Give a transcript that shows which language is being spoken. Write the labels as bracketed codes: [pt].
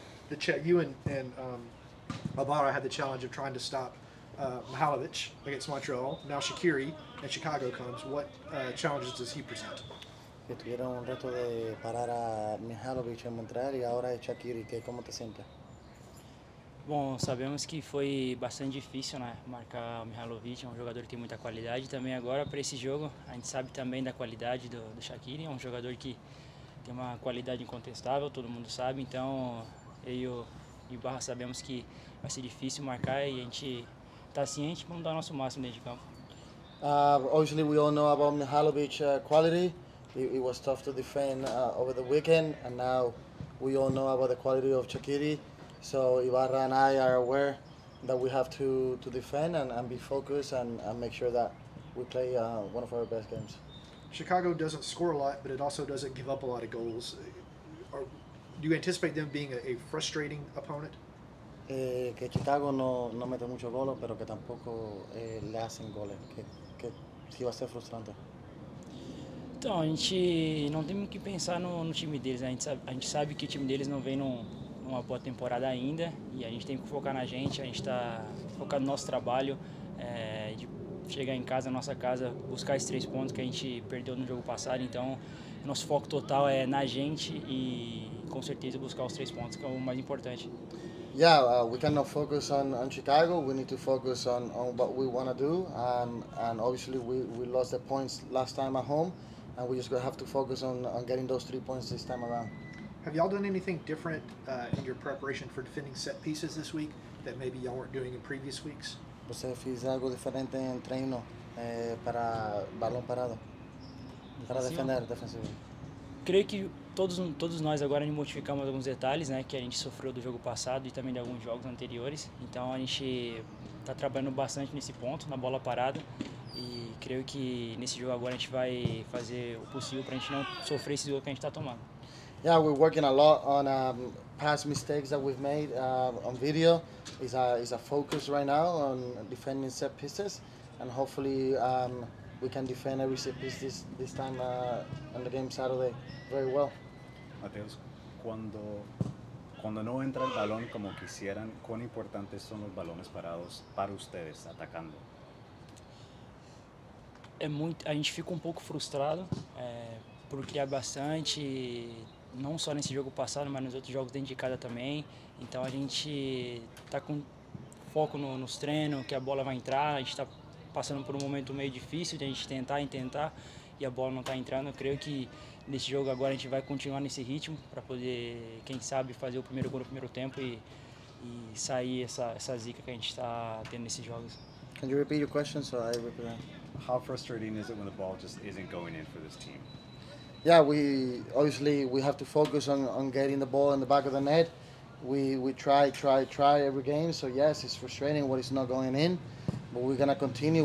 [en] The you and Albaro had the challenge of trying to stop Mihajlovic against Montreal. Now Shaqiri and Chicago comes. What challenges does he present? [es] Que tuvieron un reto de parar a Mihajlovic en Montreal y ahora es Shaqiri. ¿Qué cómo te sientes? [pt] Bom, sabemos que foi bastante difícil, né, marcar o Mihajlovic, é um jogador que tem muita qualidade também agora para esse jogo. A gente sabe também da qualidade do Shaqiri, é um jogador que tem uma qualidade incontestável, todo mundo sabe, então eu e o Barra sabemos que vai ser difícil marcar e a gente está ciente, vamos dar o nosso máximo dentro de campo. [en] Obviously we all know about Mihajlovic quality. It was tough to defend over the weekend, and now we all know about the quality of Shaqiri. So Ibarra and I are aware that we have to defend and be focused and make sure that we play one of our best games. Chicago doesn't score a lot, but it also doesn't give up a lot of goals. Do you anticipate them being a frustrating opponent? [es] Que Chicago no mete mucho goles, pero que tampoco le hacen goles. Que sí va a ser frustrante. [pt] Então, a gente não tem que pensar no time deles. Né? A gente sabe que o time deles não vem numa boa temporada ainda. E a gente tem que focar na gente. A gente está focado no nosso trabalho. De chegar em casa, na nossa casa, buscar esses três pontos que a gente perdeu no jogo passado. Então, nosso foco total é na gente e com certeza buscar os três pontos, que é o mais importante. [en] Yeah, we cannot focus on Chicago. We need to focus on what we want to do, and obviously we lost the points last time at home, and we just gonna have to focus on getting those 3 points this time around. Have y'all done anything different in your preparation for defending set pieces this week that maybe y'all weren't doing in previous weeks? [pt] Você fez algo diferente em treino para balão parado? Para defender defensivo. Creio que todos nós agora modificamos alguns detalhes, né, que a gente sofreu do jogo passado e também de alguns jogos anteriores. Então a gente está trabalhando bastante nesse ponto, na bola parada. E creio que nesse jogo agora a gente vai fazer o possível para a gente não sofrer esse jogo que a gente está tomando. [en] Yeah, we're working a lot on past mistakes that we've made on video. It's a focus right now on defending set pieces, and hopefully we can defend every set piece this time on the game Saturday very well. [es] Matheus, cuando no entra el balón como quisieran, ¿cuán importantes son los balones parados para ustedes atacando? [pt] A gente fica [es] un poco [pt] frustrado por criar bastante, não só nesse jogo passado, mas nos outros jogos dentro de casa também. Então a gente está com foco nos treinos, que a bola vai entrar. A gente está passando por um momento meio difícil de a gente tentar e a bola não está entrando. Eu creio que nesse jogo agora a gente vai continuar nesse ritmo para poder, quem sabe, fazer o primeiro gol no primeiro tempo e sair essa zica que a gente está tendo nesses jogos. [en] Can you repeat your question so I repeat that? How frustrating is it when the ball just isn't going in for this team? Yeah, we obviously have to focus on getting the ball in the back of the net. We try every game. So yes, it's frustrating what is not going in, but we're gonna continue.